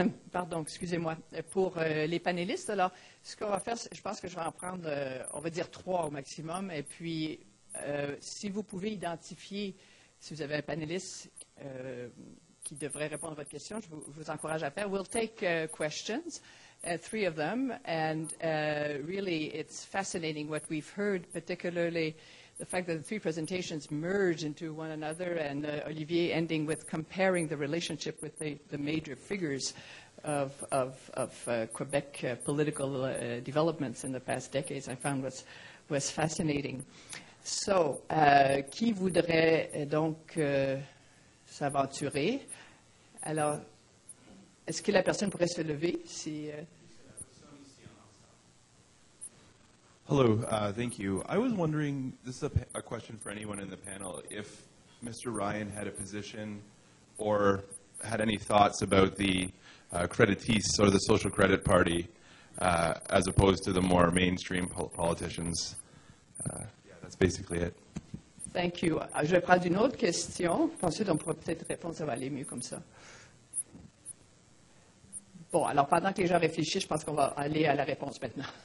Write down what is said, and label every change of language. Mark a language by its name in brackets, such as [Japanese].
[French] Pardon, excusez-moi, pour les panélistes. Alors, ce qu'on va faire, c'est, je pense que je vais en prendre, on va dire trois au maximum. Et puis, si vous pouvez identifier, si vous avez un panéliste qui devrait répondre à votre question, je vous encourage à faire. [English] We'll take questions. Three of them, and really it's fascinating what we've heard, particularly the fact that the three presentations merge into one another, and Olivier ending with comparing the relationship with the major figures of Quebec political developments in the past decades, I found was fascinating. [French] So, qui voudrait donc s'aventurer? Alors, est-ce que la personne pourrait se lever si... [English] Hello, thank you. I was wondering, this is a question for anyone in the panel, if Mr. Ryan had a position or had any thoughts about the Créditis or the Social Credit Party as opposed to the more mainstream politicians. Yeah, that's basically it. Thank you. [French] Je vais prendre une autre question. Pensez qu'on pourrait peut-être répondre, ça va aller mieux comme ça. Bon, alors pendant que les gens réfléchissent, je pense qu'on va aller à la réponse maintenant.